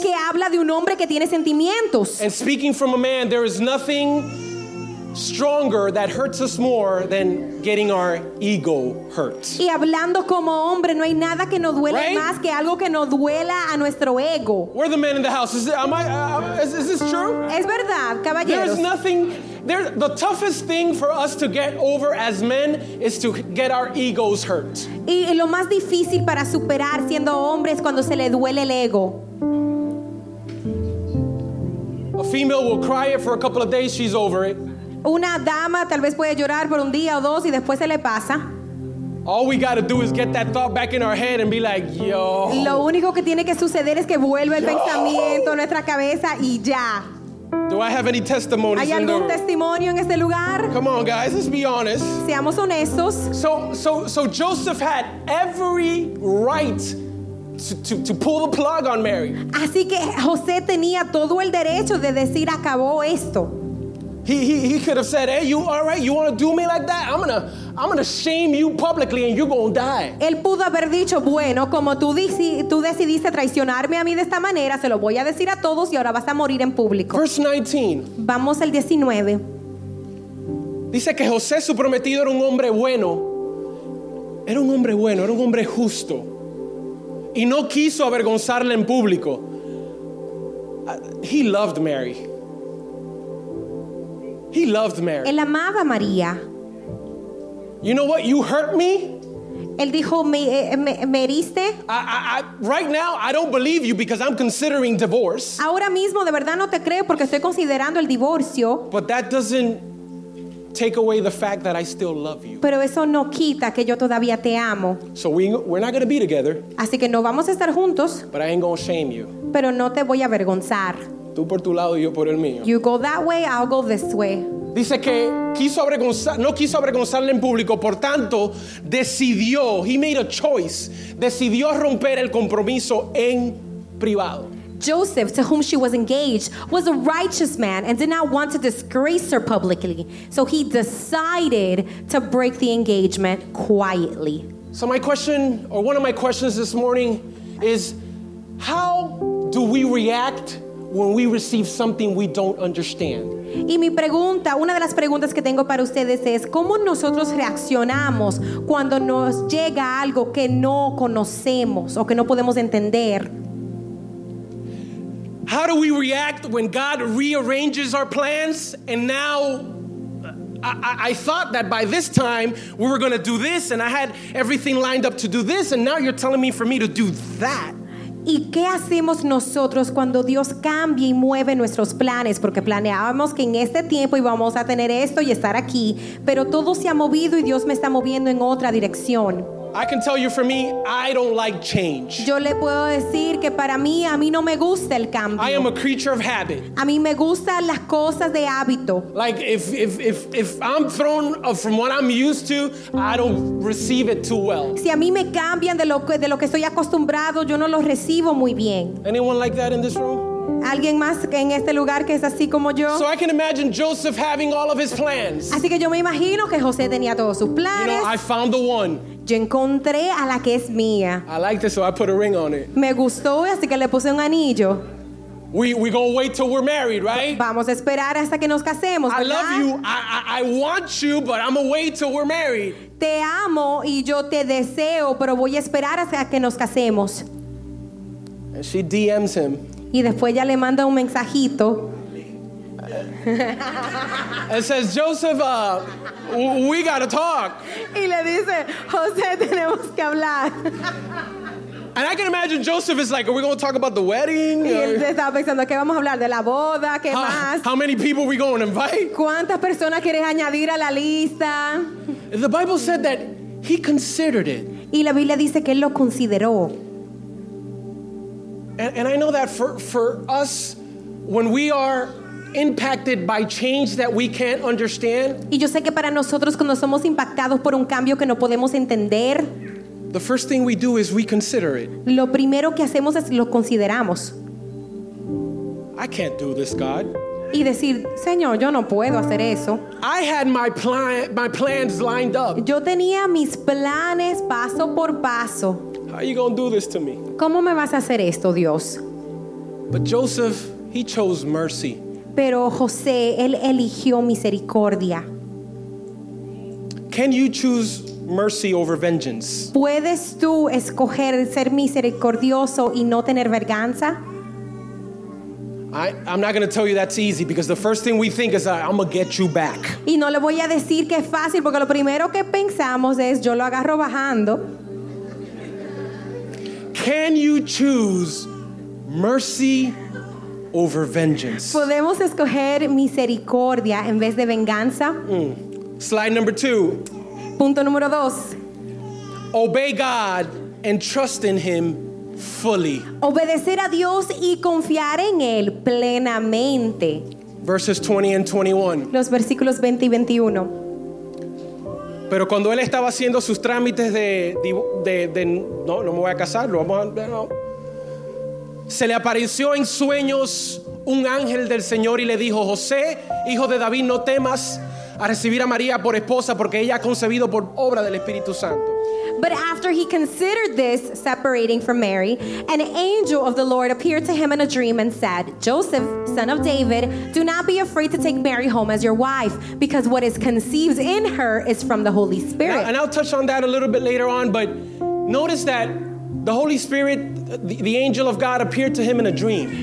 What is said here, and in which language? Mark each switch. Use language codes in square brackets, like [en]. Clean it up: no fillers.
[es] que habla de un hombre que tiene sentimientos. [en] And speaking from a man, there is nothing stronger that hurts us more than getting our ego hurt. [es] Y hablando como hombre, no hay nada que nos duela [en] right? [es] más que algo que nos duela a nuestro ego. [en] We're the men in the house. Is this true? [es] Es verdad, caballeros. [en] There's nothing. There, the toughest thing for us to get over as men is to get our egos hurt. [es] Y lo más difícil para superar siendo hombre es cuando se le duele el ego. [en] A female will cry it for a couple of days. She's over it. [es] Una dama tal vez puede llorar por un día o dos y después se le pasa. [en] All we gotta do is get that thought back in our head and be like, yo. [es] Lo único que tiene que suceder es que vuelva el pensamiento a nuestra cabeza y ya. [en] Do I have any testimonies? [es] ¿Hay algún testimonio en este lugar? [en] Come on, guys, let's be honest. [es] Seamos honestos. [en] So Joseph had every right to pull the plug on Mary. [es] Así que José tenía todo el derecho de decir acabó esto. [en] He could have said, "Hey, you all right? You want to do me like that? I'm gonna shame you publicly, and you're gonna die." [es] Él pudo haber dicho, bueno, como tú decidiste traicionarme a mí de esta manera, se lo voy a decir a todos, y ahora vas a morir en público. [en] Verse 19. [es] Vamos al 19. Dice que José, su prometido, era un hombre bueno. Era un hombre bueno. Era un hombre justo. Y no quiso avergonzarle en público. [en] He loved Mary. He loved Mary. [es] Él amaba a María. [en] You know what? You hurt me. [es] Él dijo, me heriste. [en] I right now I don't believe you because I'm considering divorce. [es] Ahora mismo de verdad no te creo porque estoy considerando el divorcio. [en] But that doesn't take away the fact that I still love you. [es] Pero eso no quita que yo todavía te amo. [en] So we're not going to be together. [es] Así que no vamos a estar juntos. [en] But I ain't going to shame you. [es] Pero no te voy a avergonzar. Tú por tu lado y yo por el mío. [en] You go that way, I'll go this way. [es] Dice que no quiso avergonzarle en público, por tanto, decidió, [en] he made a choice, [es] decidió romper el compromiso en privado. [en] Joseph, to whom she was engaged, was a righteous man and did not want to disgrace her publicly. So he decided to break the engagement quietly. So my question, or one of my questions this morning, is how do we react when we receive something we don't understand? [es] Y mi pregunta, una de las preguntas que tengo para ustedes es, ¿cómo nosotros reaccionamos cuando nos llega algo que no conocemos o que no podemos entender? [en] How do we react when God rearranges our plans and now I thought that by this time we were going to do this and I had everything lined up to do this and now you're telling me for me to do that? [es] ¿Y qué hacemos nosotros cuando Dios cambia y mueve nuestros planes? Porque planeábamos que en este tiempo íbamos a tener esto y estar aquí, pero todo se ha movido y Dios me está moviendo en otra dirección. [en] I can tell you, for me, I don't like change. [es] Yo le puedo decir que para mí, a mí no me gusta el cambio. [en] I am a creature of habit. [es] A mí me gustan las cosas de hábito. [en] Like if I'm thrown from what I'm used to, I don't receive it too well. [es] Si a mí me cambian de lo que estoy acostumbrado, yo no lo recibo muy bien. [en] Anyone like that in this room? [es] ¿Alguien más en este lugar que es así como yo? [en] So I can imagine Joseph having all of his plans. [es] Así que yo me imagino que José tenía todos sus planes. [en] You know, I found the one. [es] Yo encontré a la que es mía. [en] I liked it, so I put a ring on it. [es] Me gustó, así que le puse un anillo. [en] We gonna wait till we're married, right? [es] Vamos a esperar hasta que nos casemos, ¿verdad? [en] I love you. I want you, but I'm gonna wait till we're married. [es] Te amo y yo te deseo, pero voy a esperar hasta que nos casemos. [en] And she DMs him. [es] Y después ya le manda un mensajito. [en] It says, Joseph, we gotta talk. [es] Y le dice, José, tenemos que hablar. [en] And I can imagine Joseph is like, are we going to talk about the wedding? [es] Y él estaba pensando, ¿qué vamos a hablar? ¿De la boda? ¿Qué más? [en] How many people are we going to invite? [es] ¿Cuántas personas quieres añadir a la lista? [en] The Bible said that he considered it. [es] Y la Biblia dice que él lo consideró. [en] And I know that for us, when we are impacted by change that we can't understand. [es] Y yo sé que para nosotros, cuando somos impactados por un cambio que no podemos entender, [en] the first thing we do is we consider it. [es] Lo primero que hacemos es lo consideramos. [en] I can't do this, God. [es] Y decir, Señor, yo no puedo hacer eso. [en] I had my plans lined up. [es] Yo tenía mis planes paso por paso. [en] How are you going to do this to me? [es] ¿Cómo me vas a hacer esto, Dios? [en] But Joseph, he chose mercy. [es] Pero José, él eligió misericordia. [en] Can you choose mercy over vengeance? [es] ¿Puedes tú escoger ser misericordioso y no tener venganza? [en] I'm not going to tell you that's easy, because the first thing we think is I'm going to get you back. [es] Y no le voy a decir que es fácil, porque lo primero que pensamos es yo lo agarro bajando. [en] Can you choose mercy over vengeance? [es] ¿Podemos escoger misericordia en vez de venganza? [en] Slide number two. [es] Punto número dos. [en] Obey God and trust in Him fully. [es] Obedecer a Dios y confiar en Él plenamente. [en] Verses 20 and 21. [es] Los versículos 20 y 21. Pero cuando él estaba haciendo sus trámites de no, no me voy a casar, lo vamos a, no. Se le apareció en sueños un ángel del Señor y le dijo, José, hijo de David, no temas a recibir a María por esposa, porque ella ha concebido por obra del Espíritu Santo. [en] But after he considered this, separating from Mary, an angel of the Lord appeared to him in a dream and said, Joseph, son of David, do not be afraid to take Mary home as your wife, because what is conceived in her is from the Holy Spirit. And I'll touch on that a little bit later on, but notice that the Holy Spirit, the angel of God, appeared to him in a dream.